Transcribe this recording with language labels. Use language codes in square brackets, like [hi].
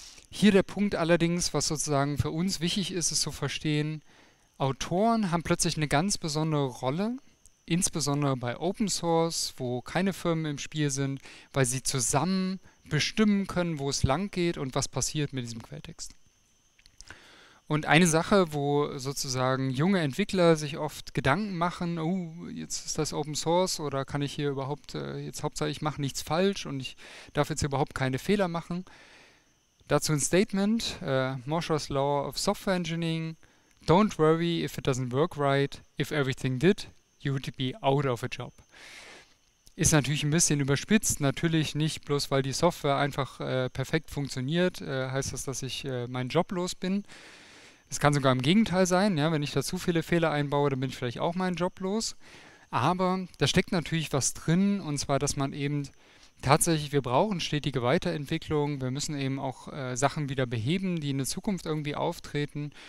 [de] Hier der Punkt allerdings, was sozusagen für uns wichtig ist, ist zu verstehen, Autoren haben plötzlich eine ganz besondere Rolle, insbesondere bei Open Source, wo keine Firmen im Spiel sind, weil sie zusammen bestimmen können, wo es lang geht und was passiert mit diesem Quelltext. Und eine Sache, wo sozusagen junge Entwickler sich oft Gedanken machen, oh, jetzt ist das Open Source oder kann ich hier überhaupt, jetzt Hauptsache ich mache nichts falsch und ich darf jetzt überhaupt keine Fehler machen. Dazu ein Statement, [en] Moshe's Law of Software Engineering, don't worry if it doesn't work right, if everything did, you would be out of a job. [de] Ist natürlich ein bisschen überspitzt, natürlich nicht bloß, weil die Software einfach perfekt funktioniert, heißt das, dass ich meinen Job los bin. Es kann sogar im Gegenteil sein, ja, wenn ich da zu viele Fehler einbaue, dann bin ich vielleicht auch meinen Job los. Aber da steckt natürlich was drin, und zwar, dass man eben tatsächlich, wir brauchen stetige Weiterentwicklung, wir müssen eben auch Sachen wieder beheben, die in der Zukunft irgendwie auftreten.